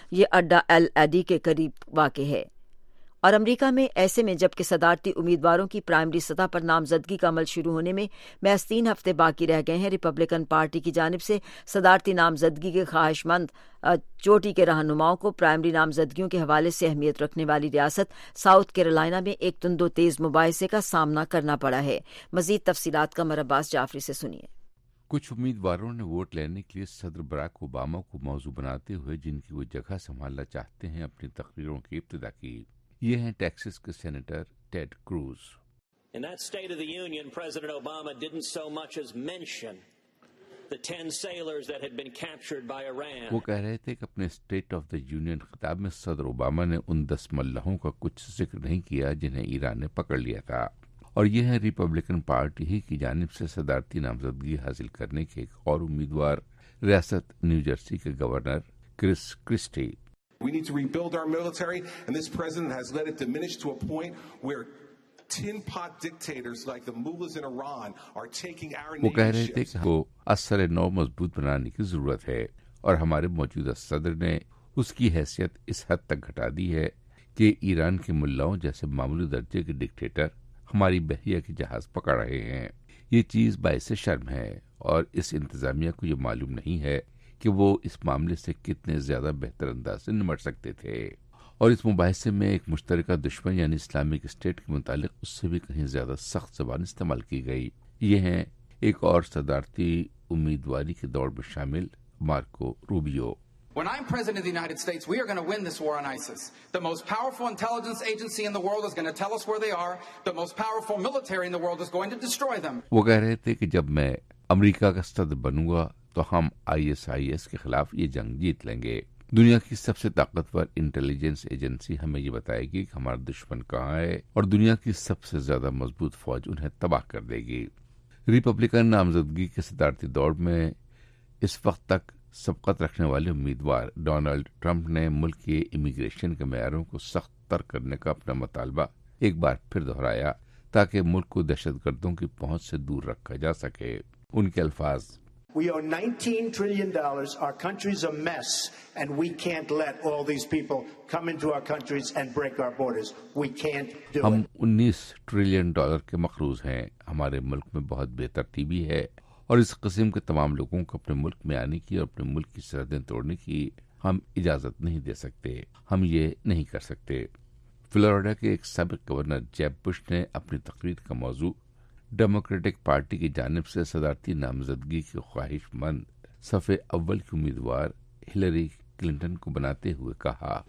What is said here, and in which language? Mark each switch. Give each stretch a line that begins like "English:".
Urdu: یہ اڈا ایل ایڈی کے قریب واقع ہے. اور امریکہ میں ایسے میں جبکہ صدارتی امیدواروں کی پرائمری سطح پر نامزدگی کا عمل شروع ہونے میں محض 3 ہفتے باقی رہ گئے ہیں، ریپبلکن پارٹی کی جانب سے صدارتی نامزدگی کے خواہش مند چوٹی کے رہنماؤں کو پرائمری نامزدگیوں کے حوالے سے اہمیت رکھنے والی ریاست ساؤتھ کیرولائنا میں ایک تندو تیز مباحثے کا سامنا کرنا پڑا ہے. مزید تفصیلات کا مرباس جعفری سے سنیے. کچھ امیدواروں نے ووٹ لینے کے لیے صدر براک اوباما کو موضوع بناتے ہوئے جن کی وہ جگہ سنبھالنا چاہتے ہیں اپنی تقریروں کی ابتدا کی. یہ ہیں ٹیکسس کے senator ٹیڈ cruise.
English: In that State of the Union, President Obama didn't so much as mention the 10 sailors that had been captured by Iran.
Urdu: وہ کہہ رہے تھے کہ اپنے اسٹیٹ آف دا یونین خطاب میں صدر اوباما نے ان 10 ملحوں کا کچھ ذکر نہیں کیا جنہیں ایران نے پکڑ لیا تھا. اور یہ ہیں ریپبلکن پارٹی ہی کی جانب سے صدارتی نامزدگی حاصل کرنے کے ایک اور امیدوار ریاست نیو جرسی کے governor Chris Kirsty.
English: We need to rebuild our military, and this president has let it diminish to a point where tin pot dictators like the mullahs in Iran are taking our nation.
Urdu: وہ کہہ رہے تھے کہ اصل نو مضبوط بنانے کی ضرورت ہے، اور ہمارے موجودہ صدر نے اس کی حیثیت اس حد تک گھٹا دی ہے کہ ایران کے ملاؤں جیسے معمولی درجے کے ڈکٹیٹر ہماری بحریہ کے جہاز پکڑ رہے ہیں. یہ چیز باعث شرم ہے، اور اس انتظامیہ کو یہ معلوم نہیں ہے کہ وہ اس معاملے سے کتنے زیادہ بہتر انداز سے نمٹ سکتے تھے. اور اس مباحثے میں ایک مشترکہ دشمن یعنی اسلامک اسٹیٹ کے متعلق اس سے بھی کہیں زیادہ سخت زبان استعمال کی گئی. یہ ہیں ایک اور صدارتی امیدواری کے دوڑ میں شامل Marco Rubio.
English: When I'm president of the United States, we are going to win this war on ISIS. The most powerful intelligence agency in the world is going to tell us where they are. The most powerful military in the world is going to destroy them.
Urdu: وہ کہہ رہے تھے کہ جب میں امریکہ کا صدر بنوں گا تو ہم ISIS کے خلاف یہ جنگ جیت لیں گے. دنیا کی سب سے طاقتور انٹیلیجنس ایجنسی ہمیں یہ بتائے گی کہ ہمارا دشمن کہاں ہے، اور دنیا کی سب سے زیادہ مضبوط فوج انہیں تباہ کر دے گی. ریپبلکن نامزدگی کے صدارتی دور میں اس وقت تک سبقت رکھنے والے امیدوار ڈونلڈ ٹرمپ نے ملک کے امیگریشن کے معیاروں کو سخت تر کرنے کا اپنا مطالبہ ایک بار پھر دہرایا تاکہ ملک کو دہشت گردوں کی پہنچ سے دور رکھا جا سکے. ان کے الفاظ،
English: We owe $19 trillion. Our country's a mess, and we can't let all these people come into our countries and break our borders. We can't do it.
Urdu: ہم 19 trillion dollars کے مقروض ہیں. ہمارے ملک میں بہت بے ترتیبی ہے، اور اس قسم کے تمام لوگوں کو اپنے ملک میں آنے کی اور اپنے ملک کی سرحدیں توڑنے کی ہم اجازت نہیں دے سکتے. ہم یہ نہیں کر سکتے. فلوریڈا کے ایک سابق گورنر جیب بش نے اپنی تقریر کا موضوع ڈیموکریٹک پارٹی کی جانب سے صدارتی نامزدگی کی خواہش مند صفحے اول کی امیدوار ہلری کلنٹن کو بناتے ہوئے کہا.